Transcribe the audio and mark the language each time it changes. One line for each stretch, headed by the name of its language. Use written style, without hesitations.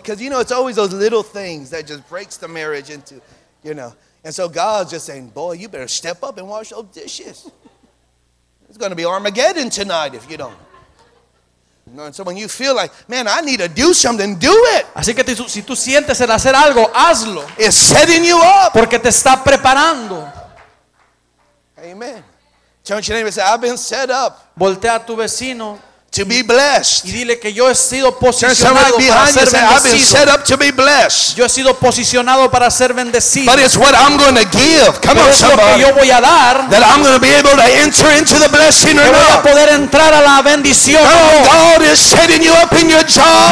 English: Because, you know, it's always those little things that just breaks the marriage into, you know. And so God's just saying, boy, you better step up and wash those dishes. It's going to be Armageddon tonight if you don't. And so when you feel like, man, I need to do something, do it.
Spanish: Así que si tú sientes el hacer algo, hazlo.
English: It's setting you up.
Spanish: Porque te está preparando.
English: Amen. Turn to your neighbor and say, I've been set up.
Spanish: Voltea a tu vecino.
English: To be blessed.
Spanish: Y dile que yo he sido posicionado para ser bendecido.
English: Turn somebody behind you and say, I've been set up to be blessed.
Spanish: Yo he sido posicionado para ser bendecido.
English: But it's what I'm going to give. Come
Spanish: Pero
English: on, somebody.
Spanish: Que yo voy a dar.
English: That I'm going to be able to enter into the blessing
Spanish: que voy
English: not.
Spanish: A poder entrar a la bendición.
English: God is setting you up in your job.